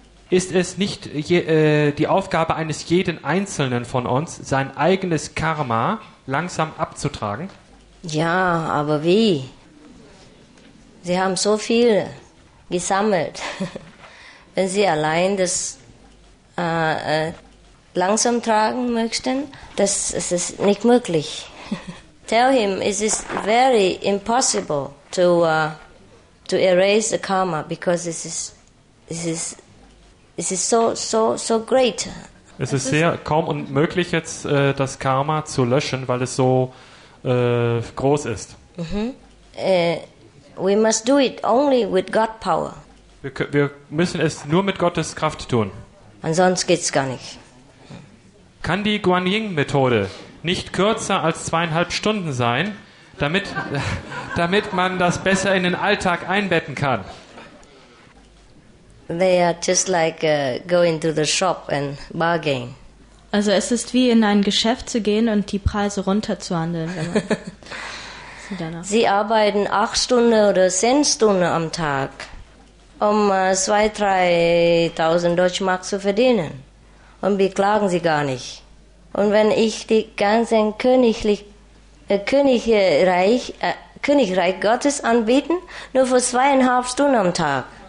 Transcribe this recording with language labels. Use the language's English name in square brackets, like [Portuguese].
[German] Ist es nicht die Aufgabe eines jeden Einzelnen von uns, sein eigenes Karma langsam abzutragen? Ja, aber wie? Sie haben so viel gesammelt. Wenn Sie allein das langsam tragen möchten, das ist nicht möglich. [English] Tell him, it is very impossible to erase the karma, because it is so great. [German] Es ist sehr kaum unmöglich jetzt das Karma zu löschen, weil es so groß ist. [English] We must do it only with God power. [German] Wir müssen es nur mit Gottes Kraft tun. Ansonsten geht's gar nicht. Kann die Guanyin-Methode nicht kürzer als 2,5 Stunden sein, damit man das besser in den Alltag einbetten kann? [English] They are just like going to the shop and bargain. [German] Also es ist wie in ein Geschäft zu gehen und die Preise runterzuhandeln. Sie arbeiten 8 Stunden oder 10 Stunden am Tag, um 2,000-3,000 Deutschmark zu verdienen. Und beklagen Sie gar nicht. Und wenn ich die ganzen Königreich Gottes anbieten, nur für 2,5 Stunden am Tag.